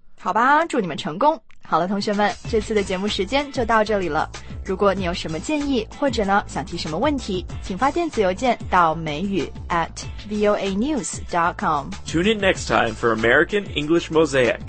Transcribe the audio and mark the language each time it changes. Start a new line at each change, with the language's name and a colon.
Chinese: 好吧，祝你们成功。好了，同学们，这次的节目时间就到这里了。如果你有什么建议，或者呢想提什么问题，请发电子邮件到美语@voanews.com.
English: Tune in next time for American English Mosaic.